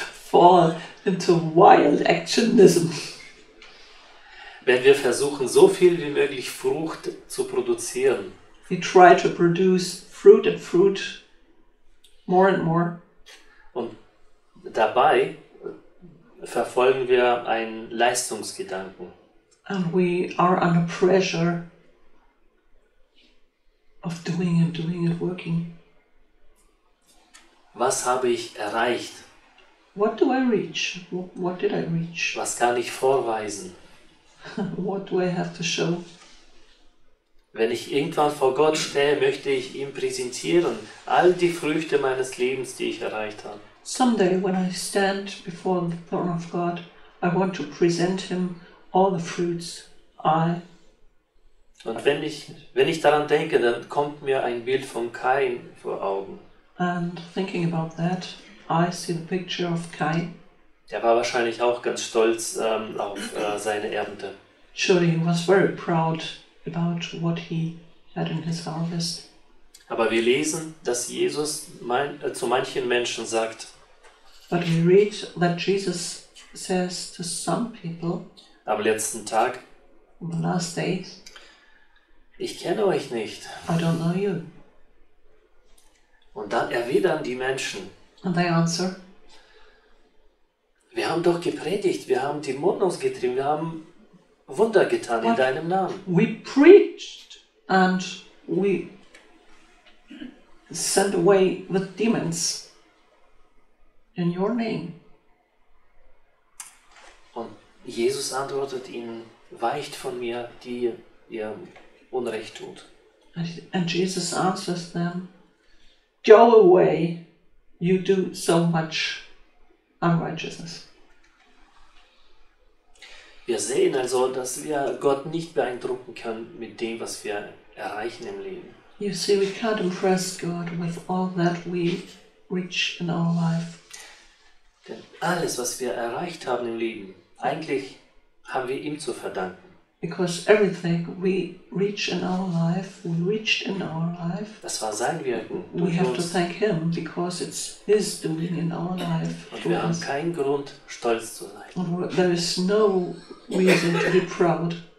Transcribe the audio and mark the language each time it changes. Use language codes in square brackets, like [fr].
[en] Fall into wild actionism. [de] Wenn wir versuchen, so viel wie möglich Frucht zu produzieren. [en] We try to produce fruit and fruit more and more. [de] Und dabei verfolgen wir einen Leistungsgedanken. [en] And we are under pressure of doing and doing and working. [de] Was habe ich erreicht? [en] What do I reach? What did I reach? [de] Was kann ich vorweisen? [en] What do I have to show? [de] Wenn ich irgendwann vor Gott stehe, möchte ich ihm präsentieren all die Früchte meines Lebens, die ich erreicht habe. [en] Someday when I stand before the throne of God, I want to present him all the fruits I. [de] Und wenn ich daran denke, dann kommt mir ein Bild von Kain vor Augen. [en] And thinking about that, I see the picture of Kai. [de] Er war wahrscheinlich auch ganz stolz auf seine Ernte. [en] Surely he was very proud about what he had in his harvest. [de] Aber wir lesen, dass Jesus zu manchen Menschen sagt. [en] But we read that Jesus says to some people. [de] Am letzten Tag. [en] On the last days. [de] Ich kenne euch nicht. [en] I don't know you. [de] Und dann erwidern die Menschen. [en] And they answer. [de] Wir haben doch gepredigt, wir haben Dämonen ausgetrieben, wir haben Wunder getan in deinem Namen. [en] We preached and we sent away the demons in your name. [de] Und Jesus antwortet ihnen, weicht von mir, die ihr Unrecht tut. [en] And Jesus answers them, go away, you do so much unrighteousness. [de] Wir sehen also, dass wir Gott nicht beeindrucken können mit dem, was wir erreichen im Leben. [en] You see, we can't impress God with all that we reach in our life. [de] Denn alles, was wir erreicht haben im Leben, eigentlich haben wir ihm zu verdanken. [en] Because everything we reach in our life, we reached in our life. [de] Das war sein Wirken. [en] We have to thank him because it's his doing in our life. [de] Und wir haben keinen Grund, stolz zu sein. [en] And there is no reason to be proud.